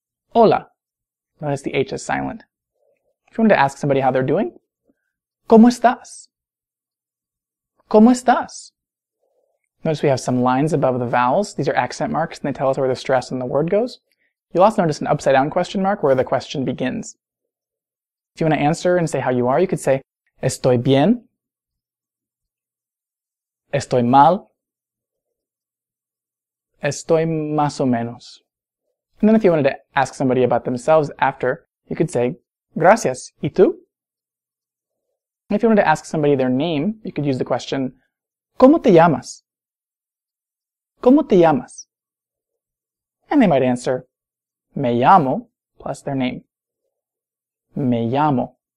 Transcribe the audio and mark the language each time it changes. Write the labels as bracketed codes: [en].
[es] Hola. [en] Notice the H is silent. If you wanted to ask somebody how they're doing, [es] ¿cómo estás? ¿Cómo estás? [en] Notice we have some lines above the vowels. These are accent marks, and they tell us where the stress in the word goes. You'll also notice an upside-down question mark where the question begins. If you want to answer and say how you are, you could say, [es] estoy bien, estoy mal, estoy más o menos. [en] And then if you wanted to ask somebody about themselves after, you could say, [es] gracias, ¿y tú? [en] And if you wanted to ask somebody their name, you could use the question, [es] ¿cómo te llamas? ¿Cómo te llamas? [en] And they might answer, [es] me llamo, [en] plus their name. [es] Me llamo.